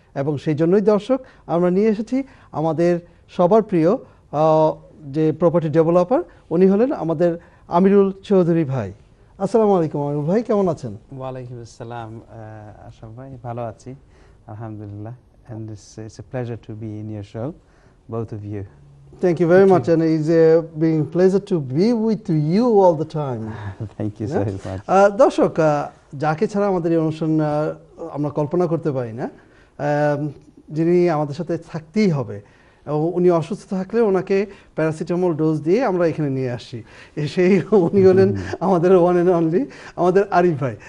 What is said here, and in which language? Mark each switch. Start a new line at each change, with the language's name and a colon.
Bangla: এবং সেই জন্যই দর্শক আমরা নিয়ে এসেছি আমাদের সবার প্রিয় যে প্রপার্টি ডেভেলপার, উনি হলেন আমাদের আমিরুল চৌধুরী ভাই। আসসালামু আলাইকুম আমিরুল ভাই, কেমন আছেন? ওয়ালাইকুম আসসালাম আশরাফ ভাই, ভালো আছি আলহামদুলিল্লাহ।
English: And it's a pleasure to be in your show, both of you. Thank you very much. And it's being a pleasure to be with you all the time. Thank you so much.
Bangla: দর্শক, যাকে ছাড়া আমাদের এই অনুষ্ঠান আমরা কল্পনা করতে পারি না, যিনি আমাদের সাথে থাকতেই হবে। এবং উনি অসুস্থ থাকলে ওনাকে প্যারাসিটামল ডোজ দিয়ে আমরা এখানে নিয়ে আসি। সেই উনি হলেন আমাদের ওয়ান এন্ড অনলি আমাদের আরিফ ভাই।